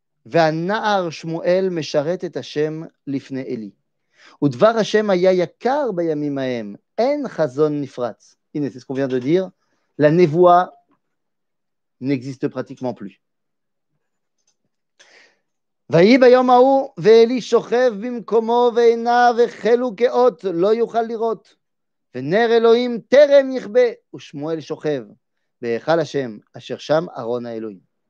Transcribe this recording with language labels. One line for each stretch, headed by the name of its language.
Hebrew: והנער שמואל משרת את השם לפני אלי. ודבר השם היה יקר בימים ההם. אין חזון נפרץ. הנה,
French: c'est ce qu'on vient de dire. La névoie n'existe pratiquement plus.
Hebrew: ויהי ביום ההוא ואלי שוכב במקומו ועיניו החלו כאות לא יוכל לראות. ונר אלוהים טרם יכבה. ושמואל שוכב בהיכל השם אשר שם ארון האלוהים.